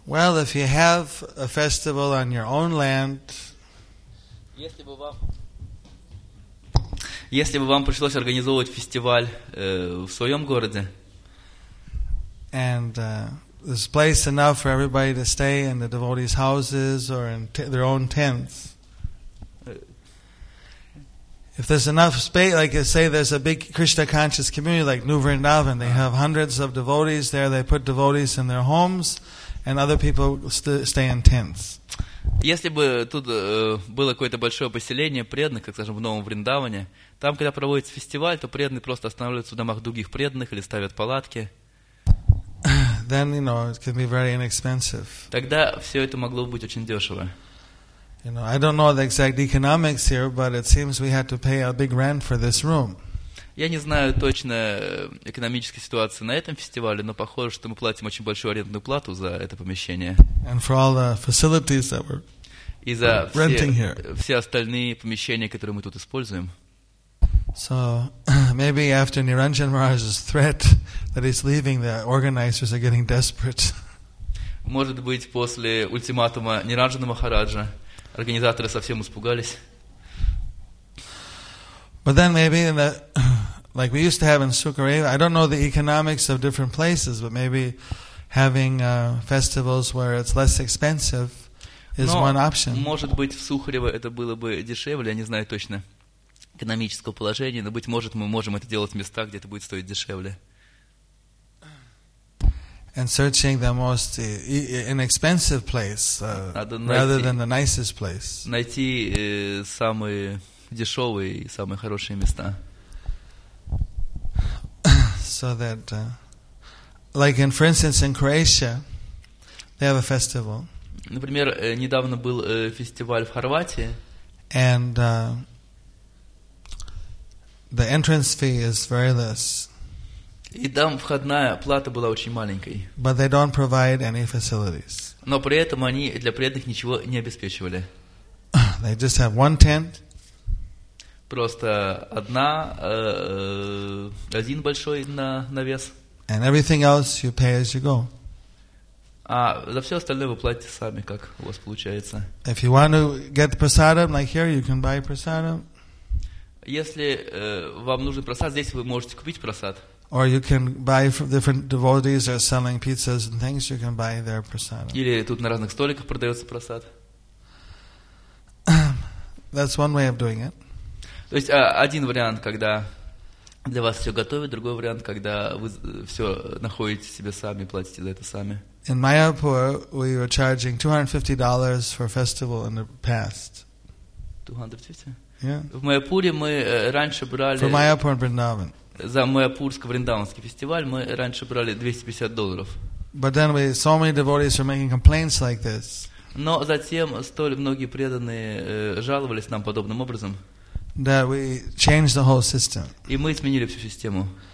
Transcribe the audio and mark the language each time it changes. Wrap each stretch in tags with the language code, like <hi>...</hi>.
<en>Well, if you have a festival on your own land,</en> <ru>если бы вам пришлось организовывать фестиваль в своем городе,</ru> <en>and there's place enough for everybody to stay in the devotees' houses or in their own tents. If there's enough space, like you say, there's a big Krishna conscious community like New Vrindavan. They have hundreds of devotees there. They put devotees in their homes, and other people stay in tents.</en> <ru>Если бы тут было какое-то большое поселение преданных, как, скажем, в Новом Вриндаване, там, когда проводится фестиваль, то преданные просто останавливаются в домах других преданных или ставят палатки.</ru> <en>Then, you know, it can be very inexpensive.</en> <ru>Тогда все это могло быть очень дешево.</ru> <en>You know, I don't know the exact economics here, but it seems we had to pay a big rent for this room.</en> <ru>Я не знаю точно экономической ситуации на этом фестивале, но похоже, что мы платим очень большую арендную плату за это помещение.</ru> <en>And for all the facilities that we're</en> <ru>и за</ru> <en>renting</en> <ru>все,</ru> <en>here.</en> <ru>Все остальные помещения, которые мы тут используем.</ru> <en>So maybe after Niranjan Maharaj's threat that he's leaving, the organizers are getting desperate.</en> <ru>Может быть, после ультиматума Ниранджана Махараджа организаторы совсем испугались.</ru> <en>But then maybe in the like we used to have in Sukhareva, I don't know the economics of different places, but maybe having festivals where it's less expensive is one option.</en> <ru>Но может быть в Сухарево это было бы дешевле, я не знаю точно экономического положения, но быть может мы можем это делать в местах, где это будет стоить дешевле.</ru> <en>And searching the most inexpensive place rather than the nicest place.</en> <ru>Найти самые дешевые и самые хорошие места.</ru> <en>So that, like in, for instance, in Croatia, they have a festival.</en> <ru>Например, недавно был фестиваль в Хорватии.</ru> <en>And the entrance fee is very less.</en> <ru>И там входная плата была очень маленькой.</ru> <en>But they don't provide any facilities.</en> <ru>Но при этом они для преданных ничего не обеспечивали.</ru> <en>They just have one tent.</en> <ru>Просто одна, один большой навес.</ru> <en>And everything else you pay as you go.</en> <ru>А за все остальное вы платите сами, как у вас получается.</ru> <en>If you want to get prasadam, like here, you can buy prasadam.</en> <ru>Если вам нужен прасад, здесь вы можете купить прасад.</ru> <en>Or you can buy from different devotees are selling pizzas and things, you can buy their prasadam.</en> <ru>Или тут на разных столиках продается прасад.</ru> <en>That's one way of doing it.</en> <ru>То есть один вариант, когда для вас все готовят, другой вариант, когда вы все находите себе сами, платите за это сами.</ru> <en>In Mayapur, we were charging $250 for a festival in the past.</en> <ru>В Майапуре мы раньше брали...</ru> <en>For Mayapur and Vrindavan.</en> <ru>За майяпурско-вриндаванский фестиваль мы раньше брали $250.</ru> <en>But then we, so many devotees were making complaints like this.</en> <ru>Но затем столь многие преданные жаловались нам подобным образом.</ru> <en>That we changed the whole system.</en> <ru>И мы изменили всю систему.</ru>